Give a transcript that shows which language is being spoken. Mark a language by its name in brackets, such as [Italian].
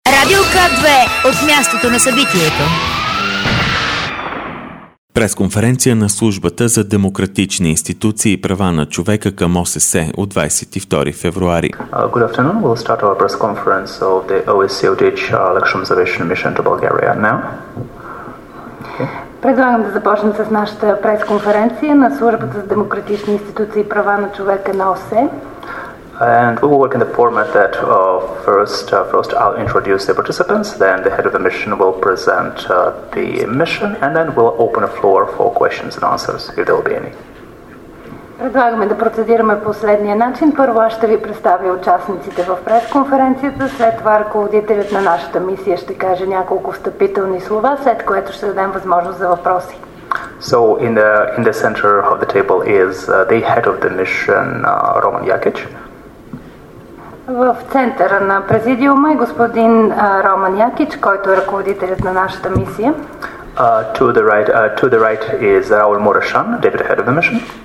[Bulgarian] Радве от мястото на събитието. Пресконференция на Службата за демократични институции и права на човека към ОССЕ от 22 февруари. [English] Good afternoon. We'll start our press conference of the OSCE/ODIHR election observation mission to Bulgaria now. [Bulgarian] Предлагам да започнем с нашата пресконференция на Службата за демократични институции и права на човека на ОССЕ. [English] And we will work in the format that first I'll introduce the participants, then the head of the mission will present the mission, and then we'll open a floor for questions and answers, if there will be any. [Bulgarian] Предлагаме да процедираме последния начин. Първо аз ще ви представя участниците в пресконференцията, след това ръководителят на нашата мисия ще каже няколко встъпителни слова, след което ще дадем възможност за въпроси. [English] So in the center of the table is the head of the mission, Roman Jakic. [Bulgarian] В центъра на президиума е господин Роман Якич, който е ръководителят на нашата мисия. [English] To the right is Raul Murashan, deputy head of the mission.